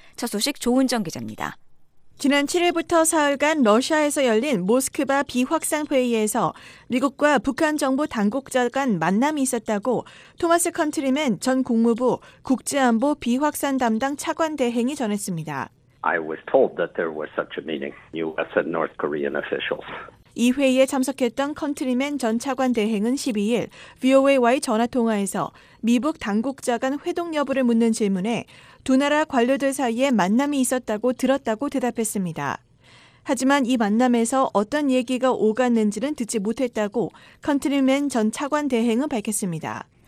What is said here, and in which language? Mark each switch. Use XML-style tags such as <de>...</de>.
<ko>첫 소식 조은정 기자입니다. 지난 7일부터 사흘간 러시아에서 열린 모스크바 비확산 회의에서 미국과 북한 정부 당국자 간 만남이 있었다고 토마스 컨트리맨 전 국무부 국제안보 비확산 담당 차관 대행이 전했습니다.</ko> <en>I was told that there was such a meeting, U.S. and North Korean officials.</en> <ko>이 회의에 참석했던 컨트리맨 전 차관 대행은 12일 VOA와의 전화통화에서 미북 당국자 간 회동 여부를 묻는 질문에 두 나라 관료들 사이에 만남이 있었다고 들었다고 대답했습니다. 하지만 이 만남에서 어떤 얘기가 오갔는지는 듣지 못했다고 컨트리맨 전 차관 대행은 밝혔습니다.</ko>